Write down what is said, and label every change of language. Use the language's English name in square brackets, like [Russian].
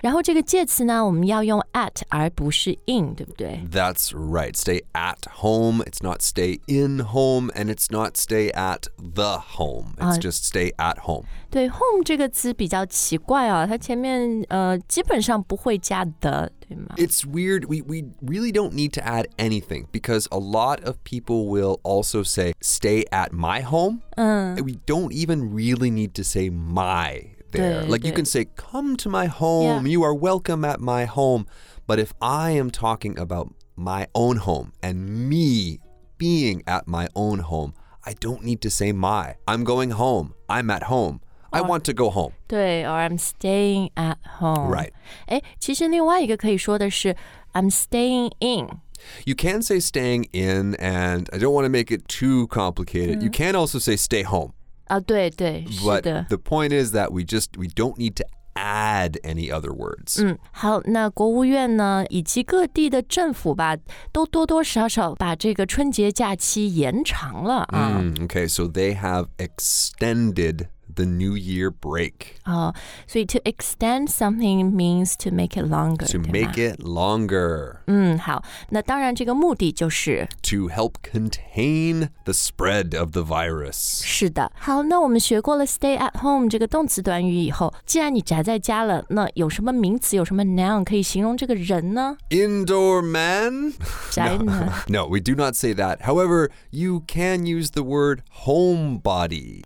[Chinese] 然后这个介词呢，我们要用 at 而不是 in， 对不对？ [English] That's right. Stay at home. It's not stay in home, and it's not stay at the home. It's just stay at home. [Chinese] 对 ，home 这个词比较奇怪啊，它前面基本上不会加的。 [English] It's weird. We really don't need to add anything because a lot of people will also say, stay at my home. We don't even really need to say my there. Like you can say, come to my home. Yeah. You are welcome at my home. But if I am talking about my own home and me being at my own home, I don't need to say my. I'm going home. I'm at home. I want to go home. 对 or I'm staying at home. Right. [Chinese] 诶，其实另外一个可以说的是 [English] I'm staying in. You can say staying in, and I don't want to make it too complicated. You can also say stay home. [Chinese] 啊，对对，是的。 [English] But the point is that we don't need to add any other words. [Chinese] 好，那国务院呢，以及各地的政府吧，都多多少少把这个春节假期延长了啊。 [English] Okay, so they have extended... The New Year break. Oh, so to extend something means to make it longer. To make it longer. [Chinese] 好，那当然这个目的就是 [English] to help contain the spread of the virus. [Chinese] 是的，好，那我们学过了 [English] stay at home [Chinese] 这个动词短语以后，既然你宅在家了，那有什么名词，有什么 noun 可以形容这个人呢？ [English] Indoor man? [Chinese] 宅男。 [English] No, we do not say that. However, you can use the word homebody.